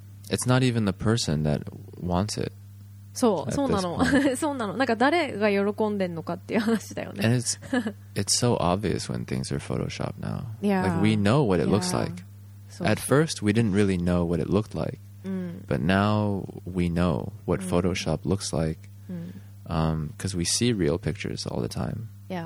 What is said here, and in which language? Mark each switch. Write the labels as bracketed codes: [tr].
[en] It's not even the person that wants it. [ja] そう、そうなの。そうなの。なんか誰が喜んでんのかっていう話だよね。 [en] And it's so obvious when things are photoshopped now. Yeah. Like, we know what it looks like. So, at first, we didn't really know what it looked like. But now we know what Photoshop looks like. Because we see real pictures all the time. Yeah.